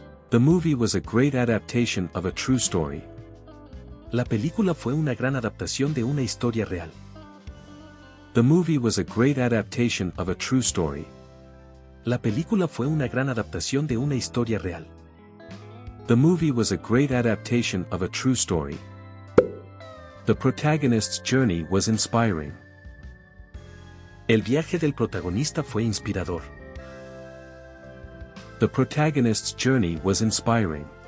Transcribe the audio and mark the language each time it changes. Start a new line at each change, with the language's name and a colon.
English: The movie was a great adaptation of a true story.
Spanish: La película fue una gran adaptación de una historia real.
English: The movie was a great adaptation of a true story.
Spanish: La película fue una gran adaptación de una historia real.
English: The movie was a great adaptation of a true story. The protagonist's journey was inspiring.
Spanish: El viaje del protagonista fue inspirador.
English: The protagonist's journey was inspiring.